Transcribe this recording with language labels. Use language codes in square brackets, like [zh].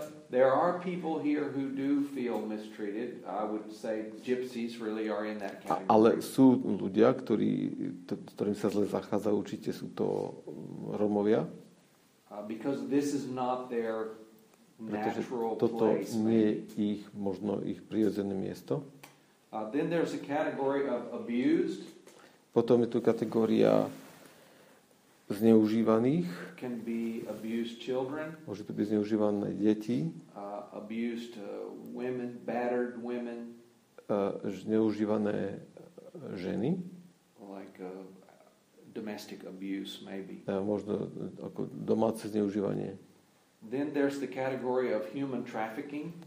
[en] There are people here who do feel mistreated. I would say gypsies really are in that category. [sk] Ale sú ľudia, ktorým sa zle zachádza, určite sú to Romovia. [en] Because this is not their natural place. [sk] Pretože toto nie je ich, možno ich prirodzené miesto. [en] Then there's a category of abused. [sk] Potom je tu kategória zneužívaných. [en] Can be abused children. [sk] Môže to byť zneužívané deti. [en] Abused women, battered women. [sk] Zneužívané ženy. [en] Like domestic abuse maybe. [sk] Možno ako domáce zneužívanie. [en] Then there's the category of human trafficking.